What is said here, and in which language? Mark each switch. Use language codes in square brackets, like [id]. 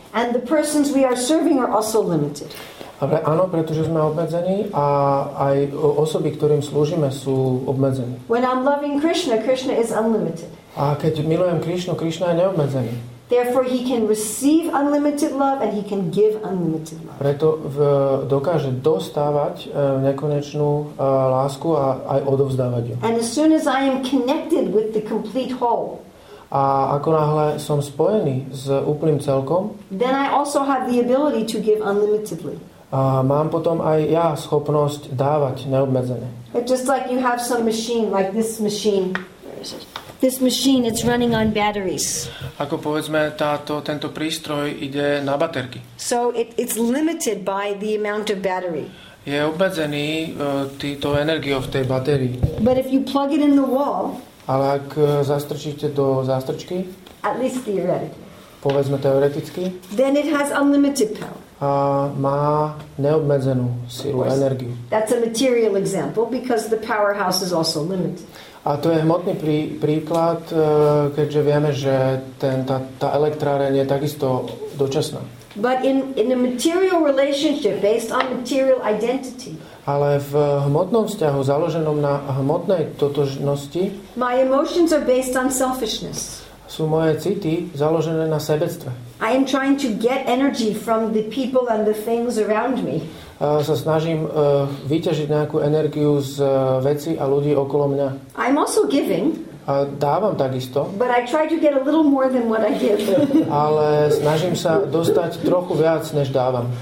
[en] And the persons we are serving are also limited. [sk] Ale áno, pretože sme obmedzení a aj osoby, ktorým slúžime, sú obmedzení. [en] When I'm loving Krishna, Krishna is unlimited. [sk] A keď milujem Krishnu, Krishna je neobmedzený. [en] Therefore he can receive unlimited love and he can give unlimited love. [sk] Preto dokáže dostávať nekonečnú lásku a aj odovzdávať ju. [en] And as soon as I am connected with the complete whole. [sk] A ako náhle som spojený s úplným celkom, [en] then I also have the ability to give unlimitedly. [sk] A mám potom aj ja schopnosť dávať neobmedzené. [en] It's just like you have some machine, like this machine. This machine, it's running on batteries. [sk] Ako povedzme, tento prístroj ide na baterky. [en] So it's limited by the amount of battery. [sk] Je obmedzený týto energiou v tej baterii. [en] But if you plug it in the wall, [sk] ale ak zastrčíte do zástrčky, [en] at least theoretically, [sk] povedzme teoreticky, [en] then it has unlimited power. [sk] A má neobmedzenú silu, energiu. [en] That's a material example because the powerhouse is also limited. [sk] A to je hmotný príklad, keďže vieme, že tá elektráreň je takisto dočasná. [en] But in a material relationship based on material identity. [sk] Ale v hmotnom vzťahu založenom na hmotnej totožnosti. [en] My emotions are based on selfishness. [sk] Sú moje city založené na sebectve. [en] I am trying to get energy from the people and the things around me. [sk] Sa snažím vyťažiť nejakú energiu z veci a ľudí okolo mňa. [en] I'm also giving. [sk] A dávam takisto. [en] But I try to get a little more than what I give. [sk] Ale snažím sa dostať trochu viac, než dávam.